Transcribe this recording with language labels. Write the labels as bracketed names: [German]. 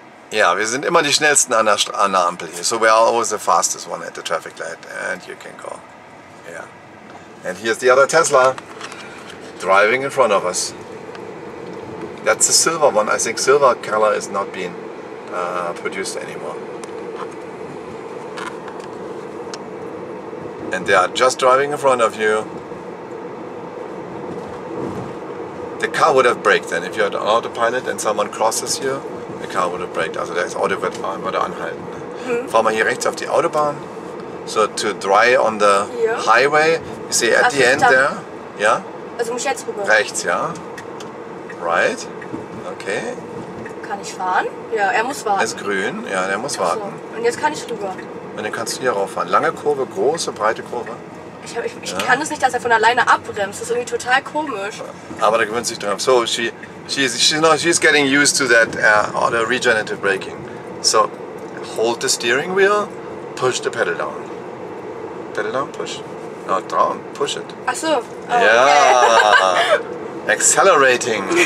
[German] Yeah, wir sind immer die schnellsten an der Ampel hier. [English] So we're always the fastest one at the traffic light, and you can go. Yeah. And here's the other Tesla driving in front of us. That's the silver one. I think silver color is not being produced anymore. And they are just driving in front of you. The car would have braked then. If you had an autopilot and someone crosses you, the car would have braked. [German] Also der Auto wird fahren oder anhalten. Fahr mal hier rechts auf die Autobahn. [English] So to dry on the highway. You see at the end there? Yeah? [German] Also muss ich jetzt rüber. Rechts, ja. Right. Okay. Kann ich fahren? Ja, er muss warten. Er ist grün, ja, der muss warten. Und jetzt kann ich rüber. Und dann kannst du hier rauffahren. Lange Kurve, große, breite Kurve. Ich kann es nicht, dass er von alleine abbremst. Das ist irgendwie total komisch. Aber da gewöhnt sich dran. [English] So, she's getting used to that auto regenerative braking. So hold the steering wheel, push the pedal down. Pedal down, push. No, down, push it. [German] Ach so. [English] Oh, yeah. Okay. Accelerating.